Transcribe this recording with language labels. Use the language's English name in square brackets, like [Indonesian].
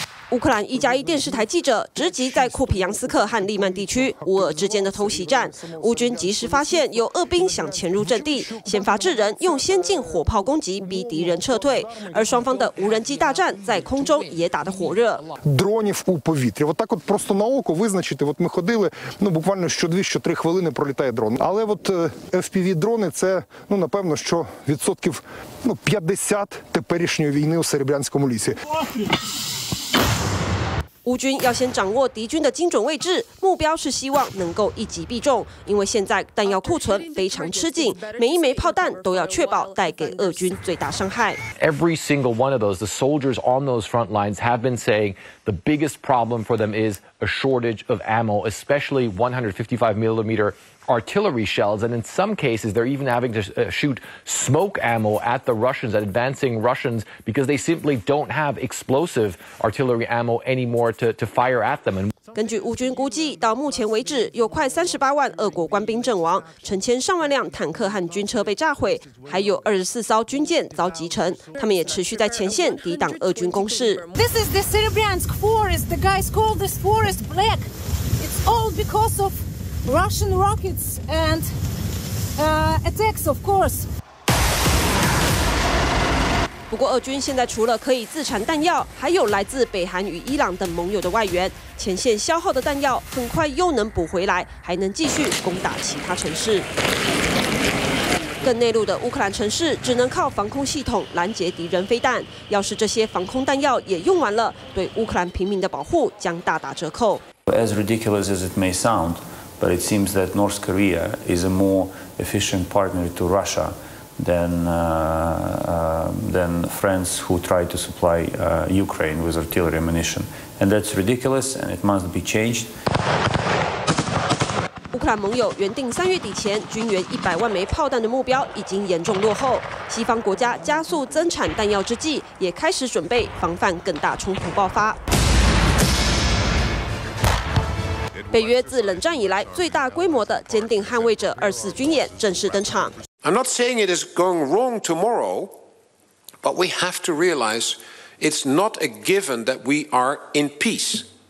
[Chinese] 乌克兰1+1电视台记者直击在库皮扬斯克和利曼地区乌俄之间的偷袭战，乌军及时发现有俄兵想潜入阵地，先发制人，用先进火炮攻击逼敌人撤退，而双方的无人机大战在空中也打得火热。 [Ukrainian] Дронів у повітрі, от так от просто на око визначити, от ми ходили, ну буквально що 2-3 хвилини пролітає дрон, але от FPV дрони це, ну напевно, що відсотків 50 теперішньої війни у Серебрянському лісі。 [Chinese] 乌军要先掌握敌军的精准位置，目标是希望能够一击必中，因为现在弹药库存非常吃紧，每一枚炮弹都要确保带给俄军最大伤害。 [English] Every single one of those, the soldiers on those front lines have been saying the biggest problem for them is a shortage of ammo, especially 155mm artillery shells, and in some cases they're even having to shoot smoke ammo at the Russians, at advancing Russians, because they simply don't have explosive artillery ammo anymore to fire at them. And [Chinese] 根据乌军估计，到目前为止有快38万俄国官兵阵亡，成千上万辆坦克和军车被炸毁，还有24艘军舰遭击沉。他们也持续在前线抵挡俄军攻势。 [English] This is the Serbiansk forest. The guys call this forest black. It's all because ofRussian rockets and attacks, of course. [Chinese] 不过，俄军现在除了可以自产弹药，还有来自北韩与伊朗等盟友的外援，前线消耗的弹药很快又能补回来，还能继续攻打其他城市。更内陆的乌克兰城市只能靠防空系统拦截敌人飞弹，要是这些防空弹药也用完了，对乌克兰平民的保护将大打折扣。 [English] As ridiculous as it may sound. But it seems that North Korea is a more efficient partner to Russia than friends who try to supply Ukraine with artillery ammunition. And that's ridiculous, and it must be changed. [Chinese] 乌克兰盟友原定三月底前军援100万枚炮弹的目标已经严重落后。西方国家加速增产弹药之际，也开始准备防范更大冲突爆发。北约自冷战以来最大规模的坚定捍卫者24军演正式登场。 [English] I'm not saying it is going wrong tomorrow, but we have to realize it's not a given that we are in peace.